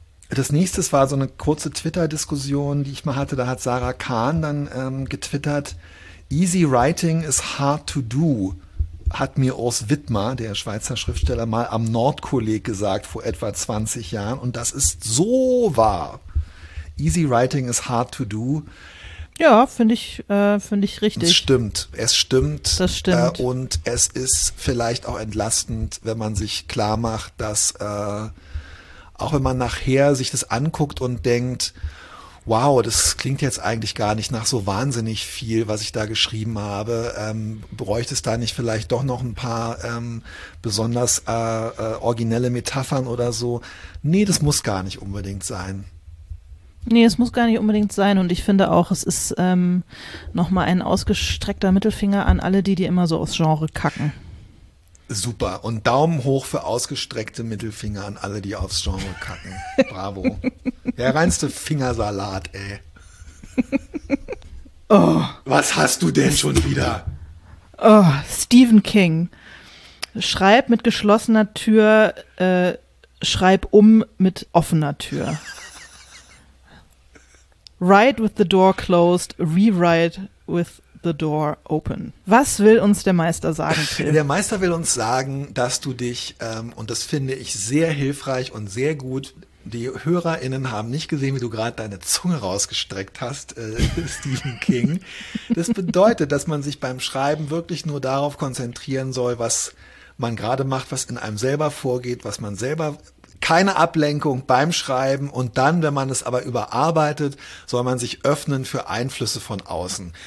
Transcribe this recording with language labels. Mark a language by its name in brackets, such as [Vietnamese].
[German] Das nächste war so eine kurze Twitter-Diskussion, die ich mal hatte. Da hat Sarah Kahn dann getwittert, [English] "Easy writing is hard to do", [German] hat mir Urs Widmer, der Schweizer Schriftsteller, mal am Nordkolleg gesagt vor etwa 20 Jahren. Und das ist so wahr. [English] Easy writing is hard to do. [German] Ja, finde ich richtig. Es stimmt. Das stimmt. Und es ist vielleicht auch entlastend, wenn man sich klar macht, dass auch wenn man nachher sich das anguckt und denkt, wow, das klingt jetzt eigentlich gar nicht nach so wahnsinnig viel, was ich da geschrieben habe. Bräuchte es da nicht vielleicht doch noch ein paar besonders originelle Metaphern oder so? Nee, das muss gar nicht unbedingt sein. Nee, es muss gar nicht unbedingt sein. Und ich finde auch, es ist nochmal ein ausgestreckter Mittelfinger an alle, die immer so aufs Genre kacken. Super. Und Daumen hoch für ausgestreckte Mittelfinger an alle, die aufs Genre kacken. Bravo. Der reinste Fingersalat, ey. Oh. Was hast du denn schon wieder? Oh, Stephen King. Schreib mit geschlossener Tür, schreib um mit offener Tür. [English] Write with the door closed, rewrite with the door open. [German] Was will uns der Meister sagen, Tim? Der Meister will uns sagen, dass du dich, und das finde ich sehr hilfreich und sehr gut, die HörerInnen haben nicht gesehen, wie du gerade deine Zunge rausgestreckt hast, Stephen King. Das bedeutet, dass man sich beim Schreiben wirklich nur darauf konzentrieren soll, was man gerade macht, was in einem selber vorgeht, was man selber, keine Ablenkung beim Schreiben, und dann, wenn man es aber überarbeitet, soll man sich öffnen für Einflüsse von außen.